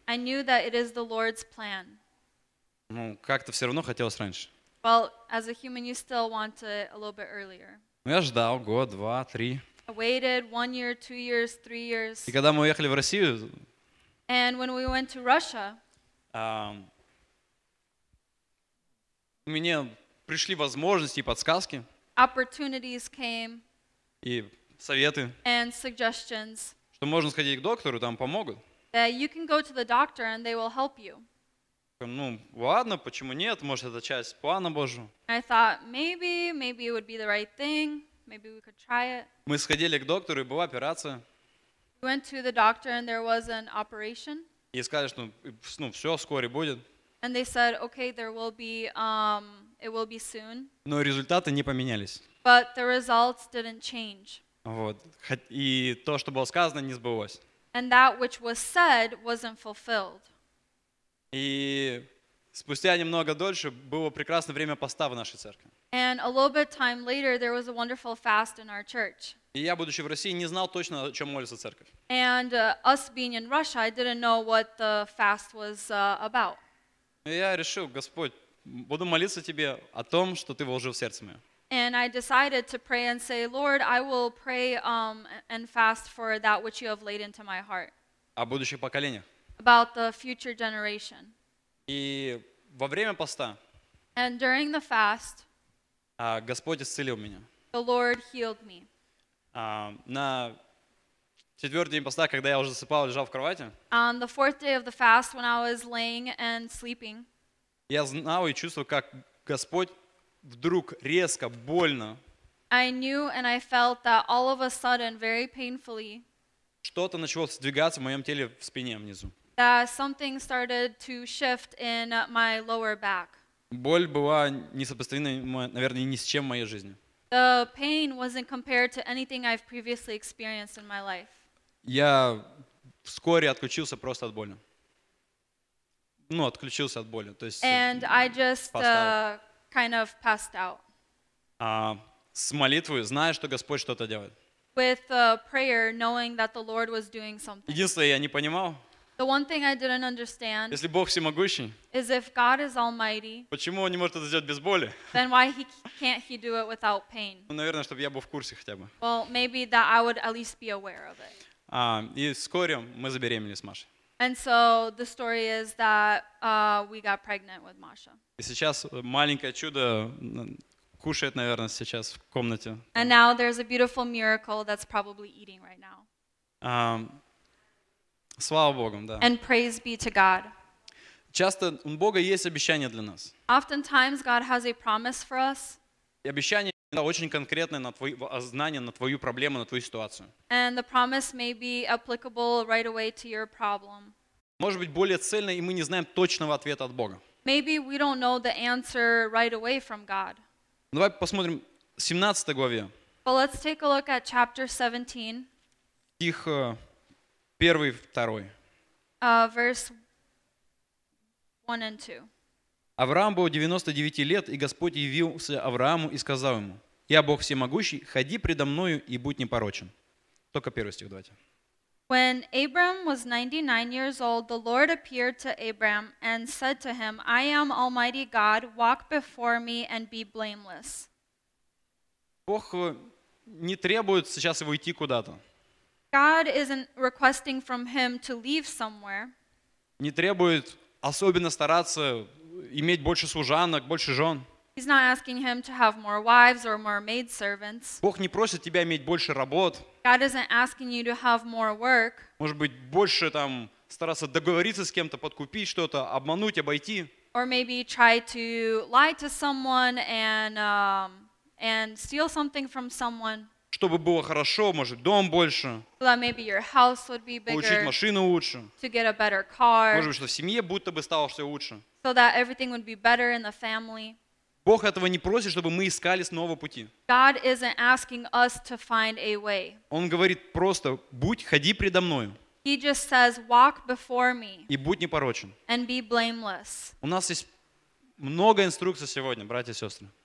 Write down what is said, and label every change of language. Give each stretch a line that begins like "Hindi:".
English: I knew that it is the Lord's plan.
Russian: Ну, как-то все равно хотелось раньше.
English: Well, as a human, you still want it a little bit earlier.
Russian: Ну, я ждал год, два, три.
English: I waited 1 year, 2 years, 3 years.
Russian: И когда мы уехали в Россию.
English: And when we went to Russia.
Russian: Мне пришли возможности и подсказки.
English: Opportunities came.
Russian: И советы.
English: And suggestions.
Russian: Что можно сходить к доктору, там помогут.
English: That you can go to the doctor and they will help you.
Russian: Ну, ладно, почему нет? Может, это часть плана Божьего.
English: I thought, maybe it would be the right thing. Maybe we could try it.
Russian: Мы сходили к доктору, и была операция.
English: We went to the doctor and there was an operation.
Russian: И сказали, что, ну, все, вскоре будет.
English: And they said, okay, there will be, it will be soon.
Russian: Но результаты не поменялись.
English: But the results didn't change.
Russian: Вот. И то, что было сказано, не сбылось.
English: And that which was said wasn't fulfilled.
Russian: И спустя немного дольше было прекрасное время поста в нашей церкви.
English: And a little bit time later, there was a wonderful fast in our church.
Russian: И я, будучи в России, не знал точно, о чем молится церковь.
English: And us being in Russia, I didn't know what the fast was about.
Russian: И я решил, Господь, буду молиться Тебе о том, что Ты вложил в сердце мое.
English: And I decided to pray and say, Lord, I will pray and fast for that which you have laid into my heart.
Russian: О будущих поколениях.
English: About the future generation.
Russian: И во время поста.
English: And during the fast.
Russian: Господь исцелил меня.
English: The Lord healed me.
Russian: На четвертый день поста, когда я уже засыпал, лежал в кровати.
English: On the fourth day of the fast, when I was laying and sleeping.
Russian: Я знал и чувствовал, как Господь вдруг резко больно.
English: I knew and I felt that all of a sudden, very painfully.
Russian: Что-то начало сдвигаться в моем теле в спине внизу.
English: That something started to shift in my lower back.
Russian: Боль была несопоставима, наверное, ни с чем в моей жизни.
English: The pain wasn't compared to anything I've previously experienced in my life.
Russian: Я вскоре отключился просто от боли. Ну, отключился от боли. То есть,
English: and I just kind of passed out.
Russian: С молитвой, зная, что Господь что-то делает.
English: With prayer, knowing that the Lord was doing something.
Russian: Единственное, я не понимал.
English: The one thing I didn't understand.
Russian: Если Бог всемогущий.
English: Is if God is almighty.
Russian: Почему он не может это сделать без боли?
English: Then why can't he do it without pain?
Russian: Ну, наверное, чтобы я был в курсе хотя бы.
English: Well, maybe that I would at least be aware of it.
Russian: И вскоре мы забеременели с Машей.
English: And so the story is that we got pregnant with Masha.
Russian: И сейчас маленькое чудо кушает, наверное, сейчас в комнате.
English: And now there's a beautiful miracle that's probably eating right now.
Russian: Слава Богу, да.
English: And praise be to God.
Russian: Часто у Бога есть обещание для нас.
English: Oftentimes God has a promise for us.
Russian: И обещание очень конкретное на твои знания, на твою проблему, на твою ситуацию.
English: And the promise may be applicable right away to your problem.
Russian: Может быть, более цельное, и мы не знаем точного ответа от Бога.
English: Maybe we don't know the answer right away from God.
Russian: Давай посмотрим 17 главе.
English: But let's take a look at chapter 17.
Russian: Стих 1 и 2.
English: Verse 1 and 2.
Russian: Авраам был 99 лет, и Господь явился Аврааму и сказал ему, «Я Бог всемогущий, ходи предо мною и будь непорочен». Только первый стих, давайте.
English: When Abram was 99 years old, the Lord appeared to Abram and said to him, I am Almighty God, walk before me and be blameless.
Russian: Бог не требует сейчас его идти куда-то.
English: God isn't requesting from him to leave somewhere.
Russian: Не требует особенно стараться иметь больше служанок, больше жен.
English: He's not asking him to have more wives or more maidservants.
Russian: Бог не просит тебя иметь больше работ.
English: God isn't asking you to have more work.
Russian: Может быть, больше там стараться договориться с кем-то, подкупить что-то, обмануть, обойти.
English: Or maybe try to lie to someone and steal something from someone.
Russian: Чтобы было хорошо, может, дом больше.
English: Well, maybe your house would be bigger.
Russian: Получить машину лучше.
English: To get a better car.
Russian: Может быть, что в семье будто бы стало все лучше.
English: So that everything would be better in the family.
Russian: Бог этого не просит, чтобы мы искали снова пути.
English: God isn't asking us to find a way.
Russian: Он говорит просто, будь, ходи предо мною.
English: He just says, walk before me.
Russian: И будь непорочен.
English: And be blameless.
Russian: У нас есть много инструкций сегодня, братья и сестры.